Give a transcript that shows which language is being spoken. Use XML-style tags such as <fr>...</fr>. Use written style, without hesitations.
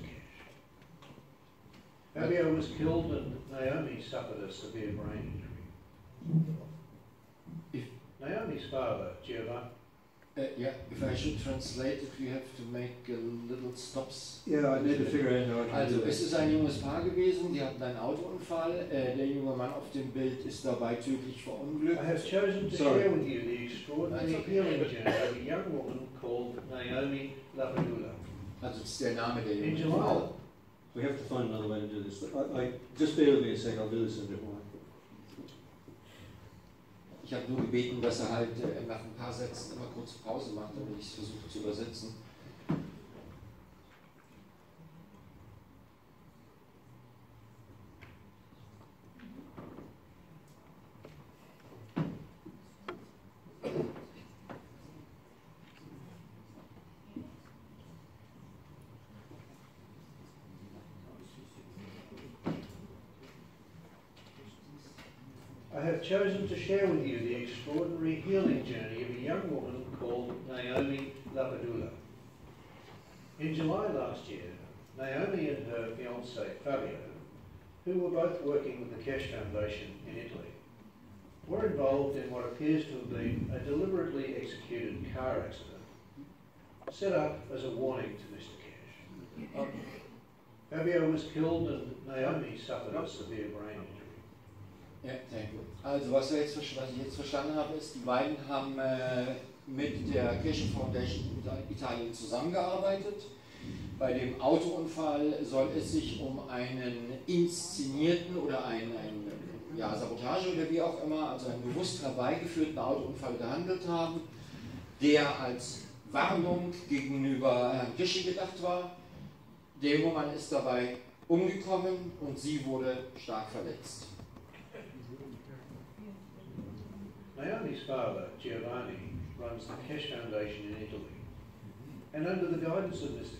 <en>Keshe. Fabio was killed and Naomi suffered a severe brain injury. Naomi's father, Giovanni. If I should translate, if you have to make a little stops. Yeah, I need to figure out how to do</en> <de>also, es ist ein junges Paar gewesen, die hatten einen Autounfall. Der junge Mann auf dem Bild ist dabei tödlich verunglückt.</de> <en>I have chosen to share with you the extraordinary healing journey of a young woman called Naomi Lapadula.</en> <de>Also, das ist der Name der jungen Frau.</de> <en>We have to find another way to do this. I just bear with me a second, I'll do this in a different way.</en> <de>Ich habe nur gebeten, dass er halt nach ein paar Sätzen immer kurze Pause macht, damit ich es versuche zu übersetzen.</de> <en>I have chosen to share with you the extraordinary healing journey of a young woman called Naomi Lapadula. In July last year, Naomi and her fiancé Fabio, who were both working with the Keshe Foundation in Italy, were involved in what appears to have been a deliberately executed car accident, set up as a warning to Mr. Keshe. Fabio was killed and Naomi suffered a severe brain injury.</en> <de>Ja,</de> <en>thank you.</en> <de>Also was ich jetzt verstanden habe, ist, die beiden haben mit der Keshe Foundation in Italien zusammengearbeitet. Bei dem Autounfall soll es sich um einen inszenierten oder einen Sabotage oder wie auch immer, also einen bewusst herbeigeführten Autounfall gehandelt haben, der als Warnung gegenüber Herrn Keshe gedacht war. Der junge Mann ist dabei umgekommen und sie wurde stark verletzt.</de> <en>Naomi's father, Giovanni, runs the Keshe Foundation in Italy, and under the guidance of Mr.</en>